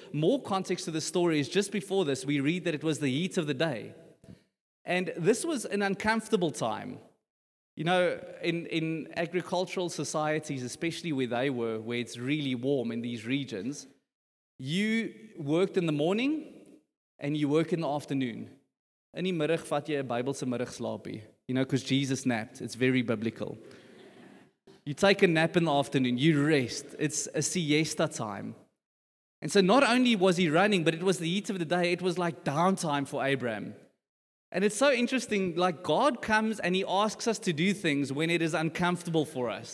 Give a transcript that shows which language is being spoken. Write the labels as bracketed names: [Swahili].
[English] More context to the story is just before this, we read that it was the heat of the day. And this was an uncomfortable time. You know, in agricultural societies, especially where they were, where it's really warm in these regions, you worked in the morning and you work in the afternoon. [Afrikaans] In die middag vat jy 'n Bybelse middagslaapie. [English] You know, because Jesus napped. It's very biblical. You take a nap in the afternoon. You rest. It's a siesta time. And so not only was he running, but it was the heat of the day. It was like downtime for Abraham. And it's so interesting, like God comes and he asks us to do things when it is uncomfortable for us.